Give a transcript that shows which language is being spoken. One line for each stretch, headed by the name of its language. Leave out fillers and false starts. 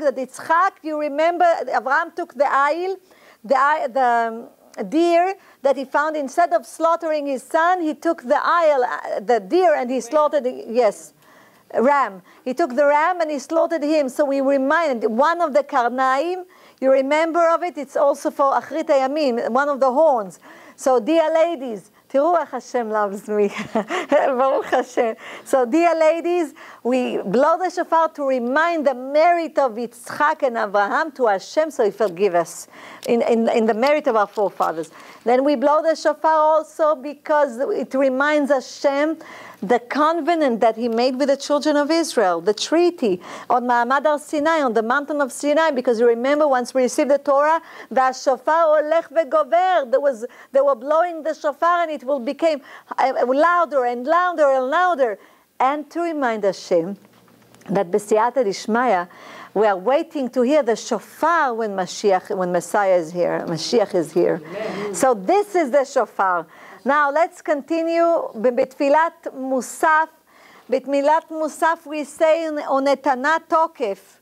English: That Yitzchak, you remember, Avraham took the ayil, the deer that he found. Instead of slaughtering his son, he took the ayil, the deer, and he slaughtered, yes, ram. He took the ram and he slaughtered him. So we remind one of the karnaim, you remember of it? It's also for Achrit Hayamim, one of the horns. So dear ladies,
Hebrew: תראו איך השם
English: loves me,
Hebrew: ברוך השם.
English: So dear ladies, we blow the shofar to remind the merit of Yitzchak and Abraham to Hashem, so he forgive us in the merit of our forefathers. Then we blow the shofar also because it reminds Hashem the covenant that he made with the children of Israel, the treaty on Ma'amad Har Sinai, on the mountain of Sinai, because you remember once we received the Torah,
Hebrew: והשופר הולך וגובר,
English: they were blowing the shofar and it will became louder and louder and louder. And to remind Hashem that B'siyata Dishmaya, we are waiting to hear the shofar when Mashiach, when Messiah is here, Mashiach is here. So this is the shofar. Now let's continue.
Hebrew: בתפילת מוסף, בתמילת מוסף,
English: we say
Hebrew: ונתנה תוקף.